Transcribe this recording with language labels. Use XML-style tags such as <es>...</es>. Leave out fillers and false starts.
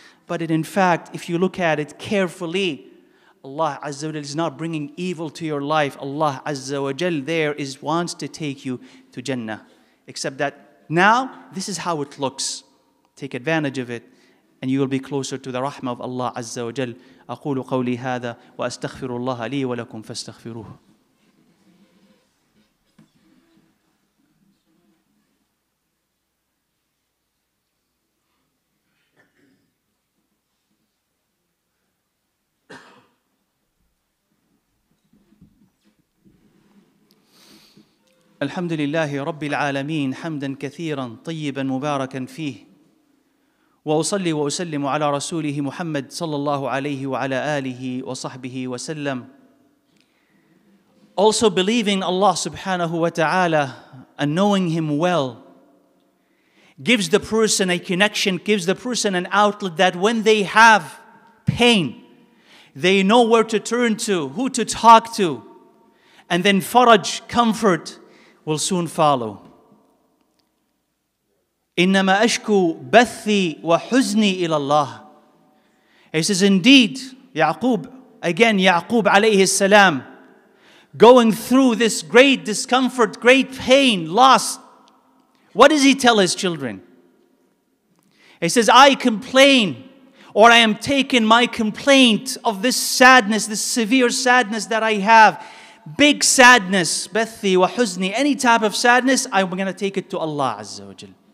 <en>But it, in fact, if you look at it carefully, Allah Azza wa Jal is not bringing evil to your life. Allah Azza wa Jal there is wants to take you to Jannah. Except that now, this is how it looks. Take advantage of it, and you will be closer to the rahmah of Allah Azza wa Jal.</en> <ar>أقول قولي هذا وأستغفر الله لي ولكم فاستغفروه. الحمد لله رب العالمين حمدا كثيرا طيبا مباركا فيه وأصلي وأسلم على رسوله محمد صلى الله عليه وعلى آله وصحبه وسلم.</ar> <en>Also believing Allah subhanahu wa ta'ala and knowing Him well gives the person a connection, gives the person an outlet that when they have pain, they know where to turn to, who to talk to, and then faraj, comfort, will soon follow.</en> <ar>إنما أشكو بثي وحزني إلى الله.</ar> <en>He says, indeed, Ya'qub, again, Ya'qub alayhi salam, going through this great discomfort, great pain, loss. What does he tell his children? He says, I complain, or I am taking my complaint of this sadness, this severe sadness that I have, big sadness, bathi wa huzni, any type of sadness, I'm going to take it to Allah Azza wa Jal.</en>